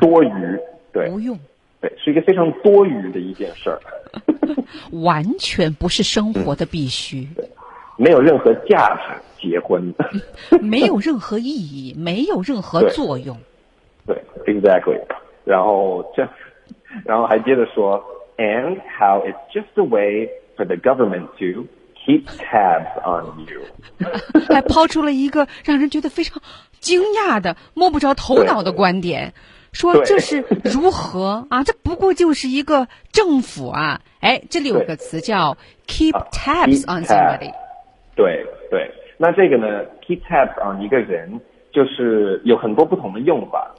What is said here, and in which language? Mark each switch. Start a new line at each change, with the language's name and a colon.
Chinese: 多余，对，不用，对，是一个非常多余的一件事儿，完全不是生活的必须，没有任何价值，结婚，没有任何意义，没有任何作用。对 ，exactly。然后这。然后还接着说
English: ，and how it's just a way for the government to keep tabs on you，
Chinese: 还抛出了一个让人觉得非常惊讶的、摸不着头脑的观点，说这是如何啊？这不过就是一个政府啊！哎，这里有个词叫 keep tabs on somebody。对对，那这个呢 ，keep tabs on 一个人就是有很多不同的用法。